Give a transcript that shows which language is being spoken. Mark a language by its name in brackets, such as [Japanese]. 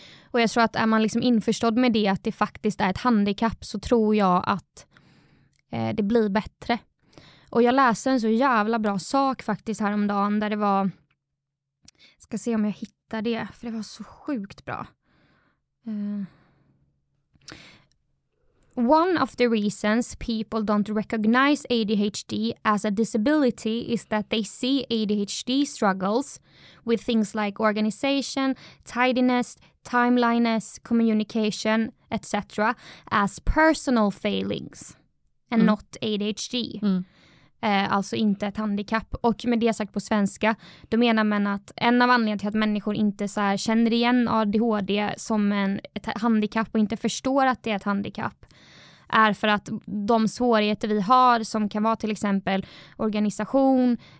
[Swedish] Och jag tror att är man liksom införstådd med det, att det faktiskt är ett handikapp, så tror jag att det blir bättre. Och jag läste en så jävla bra sak faktiskt häromdagen där det var... Ska se om jag hittar det, för det var så sjukt bra. [English] One of the reasons people don't recognize ADHD as a disability is that they see ADHD struggles with things like organization, tidiness, timeliness, communication, etc. as personal failings and not ADHD. Mm. [Swedish] Alltså inte ett handikapp. Och med det sagt på svenska, då menar man att en av anledningarna till att människor inte så här känner igen ADHD som ett handikapp och inte förstår att det är ett handikapp är för att de svårigheter vi har, som kan vara till exempel organisation,